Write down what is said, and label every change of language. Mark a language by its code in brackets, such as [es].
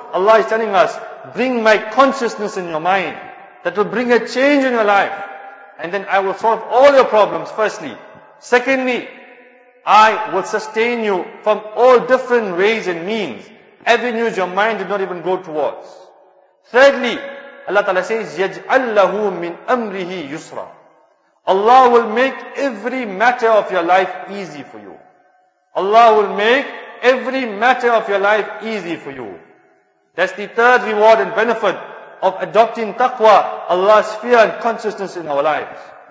[en] Allah is telling us, bring my consciousness in your mind. That will bring a change in your life. And then I will solve all your problems, firstly. Secondly, I will sustain you from all different ways and means, avenues your mind did not even go towards. Thirdly, Allah Ta'ala says, [ar] يَجْعَلْ لَهُ مِنْ أَمْرِهِ يُسْرًا. [en] Allah will make every matter of your life easy for you. Allah will make every matter of your life easy for you. That's the third reward and benefit of adopting taqwa, Allah's fear and consciousness in our lives.